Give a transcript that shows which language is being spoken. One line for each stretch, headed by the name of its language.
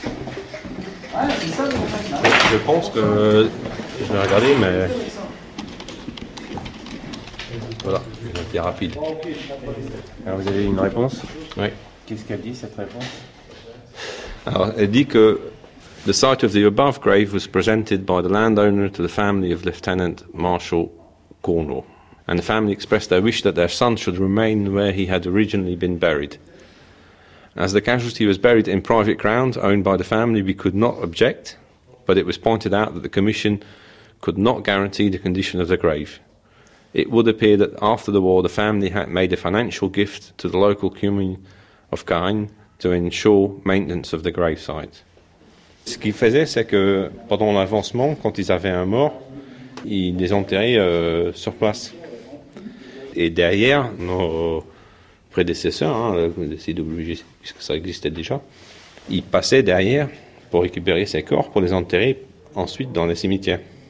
French: Je pense que je vais regarder, mais voilà, c'est rapide. Alors vous avez une réponse? Oui. Qu'est-ce qu'elle dit cette réponse? Alors elle dit que
English: the site of the above grave was presented by the landowner to the family of Lieutenant Marshal Cornwall, and the family expressed their wish that their son should remain where he had originally been buried. As the casualty was buried in private ground owned by the family, we could not object, but it was pointed out that the commission could not guarantee the condition of the grave. It would appear that after the war, the family had made a financial gift to the local commune of Caen to ensure maintenance of the gravesite.
French: Ce qu'ils faisaient, c'est que pendant l'avancement, quand ils avaient un mort, ils les enterraient sur place. Et derrière, nos prédécesseurs, hein, le CWG, puisque ça existait déjà, ils passaient derrière pour récupérer ces corps, pour les enterrer ensuite dans les cimetières.